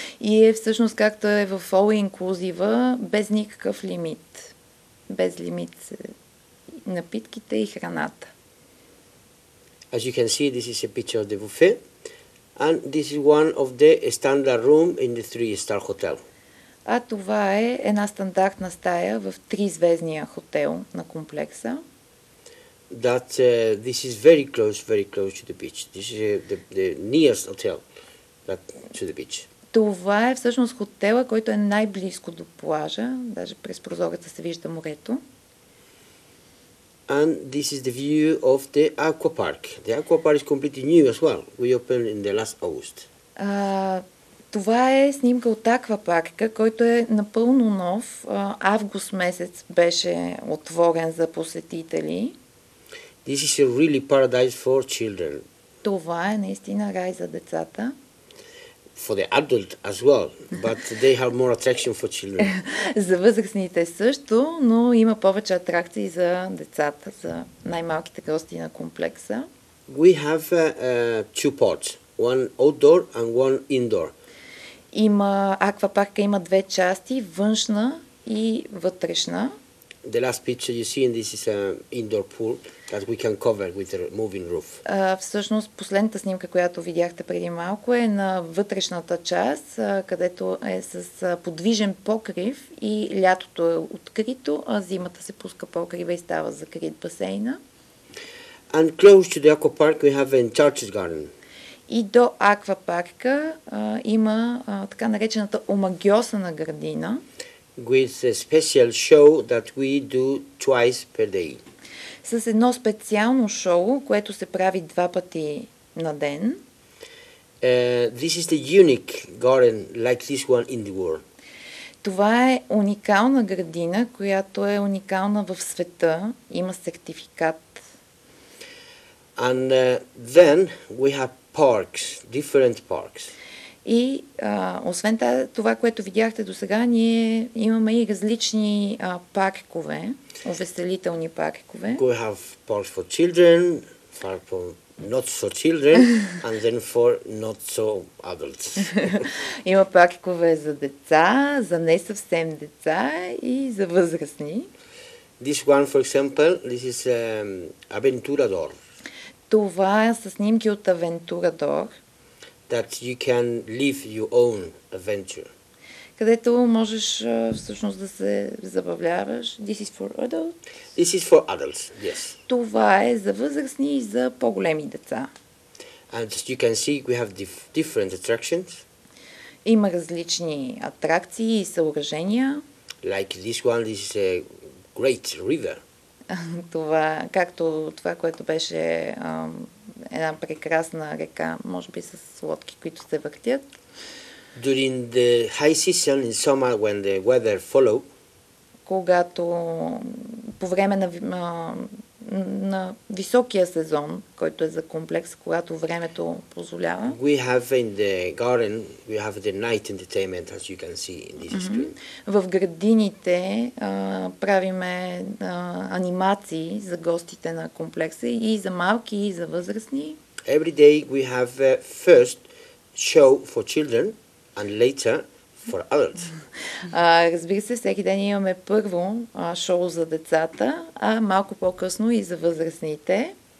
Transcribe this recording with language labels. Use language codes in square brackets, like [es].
[bg] И е всъщност както е в all inclusive, без никакъв лимит. Без лимит напитките и храната. [en] As you can see, this is a picture of the buffet. And this is one of the standard room in the 3-star hotel. [bg] А това е една стандартна стая в 3-звездния хотел на комплекса. [en] That this is very close to the beach. This is the nearest hotel that to the beach. [bg] Това е всъщност хотела, който е най-близко до плажа, даже през прозореца се вижда морето. [en] And this is the view of the aqua park. The aqua park is completely new as well. We opened in the last August. [bg] Това е снимка от аквапарка, който е напълно нов. Август месец беше отворен за посетители. [en] This is a really paradise for children. [bg] Това е наистина рай за децата. [en] For the adult as well, but they have more attraction for children. [bg] За възрастните също, но има повече атракции за децата, за най-малките гости на комплекса. [en] We have two parts, one outdoor and one indoor. [bg] Има аквапарка, има две части, външна и вътрешна. [en] The last picture you see, and this is an indoor pool that we can cover with a moving roof. [bg] Всъщност последната снимка, която видяхте преди малко, е на вътрешната част, където е с подвижен покрив и лятото е открито, а зимата се пуска покрива и става закрит басейна. [en] And close to the aqua park we have an enchanted garden. [bg] И до аквапарка има така наречената омагьосана градина. [en] With a special show that we do twice per day. [bg] С едно специално шоу, което се прави два пъти на ден. [en] This is the unique garden like this one in the world. [bg] Това е уникална градина, която е уникална в света, има сертификат. [en] And then we have parks, different parks. [bg] И освен това, което видяхте досега, ние имаме и различни паркове, увеселителни паркове. [en] We have parks for children, park for not so children, and then for not so adults. [bg] Има паркове за деца, за не съвсем деца и за възрастни. [en] This one, for example, this is Aventurador. [bg] Това са снимки от Авентурадор. [en] That you can live your own adventure. [bg] Където можеш всъщност да се забавляваш. [en] This is for adults. This is for adults, yes. [bg] Това е за възрастни и за по-големи деца. [en] And as you can see, we have different attractions. [bg] Има различни атракции и съоръжения. [en] Like this one, this is a great river. [bg] Това, както това, което беше една прекрасна река, може би с лодки, които се въртят. [en] During the high season in summer, when the weather follow, [bg] когато по време на, на високия сезон, който е за комплекс, когато времето позволява, [en] we have in the garden, we have the night entertainment, as you can see in this screen. [bg] В градините правиме анимации за гостите на комплекса и за малки, и за възрастни. [en] Every day we have a first show for children. And later for adults. [bg] Разбира се, всеки ден имаме първо шоу за децата, а малко по-късно и за възрастните.